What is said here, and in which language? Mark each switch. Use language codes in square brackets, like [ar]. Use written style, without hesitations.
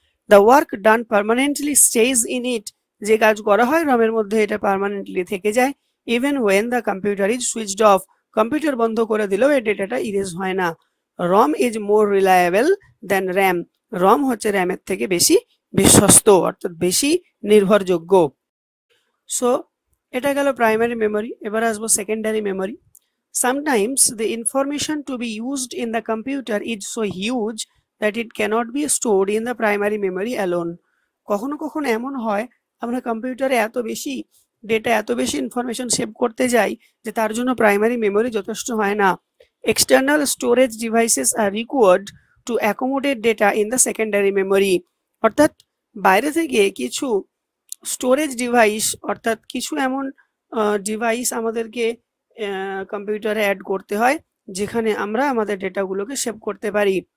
[en] The work done permanently stays in it. [bn] যে কাজ করা হয় রমের মধ্যে এটা পারমানেন্টলি থেকে যায়। [en] even when the computer is switched off, [bn] computer বন্ধ করে দিলেও এই ডেটাটা ইরেজ হয় না। [en] ROM is more reliable than RAM. [bn] রম হচ্ছে র্যামের থেকে বেশি বিশ্বস্ত, অর্থাৎ বেশি নির্ভরযোগ্য। সো এটা গেল প্রাইমারি মেমোরি। এবার আসবো secondary memory. [en] Sometimes the information to be used in the computer is so huge that it cannot be stored in the primary memory alone. [bn] কখনো কখনো এমন হয় আমরা কম্পিউটারে এত বেশি ডেটা, এত বেশি ইনফরমেশন সেভ করতে যাই যে তার জন্য প্রাইমারি মেমোরি যথেষ্ট হয় না। [en] External storage devices are required to accommodate data in the secondary memory. [bn] অর্থাৎ বাইরে থেকে কিছু স্টোরেজ ডিভাইস, অর্থাৎ কিছু এমন ডিভাইস আমাদেরকে কম্পিউটারে অ্যাড করতে হয় যেখানে আমরা আমাদের ডেটাগুলোকে সেভ করতে পারি।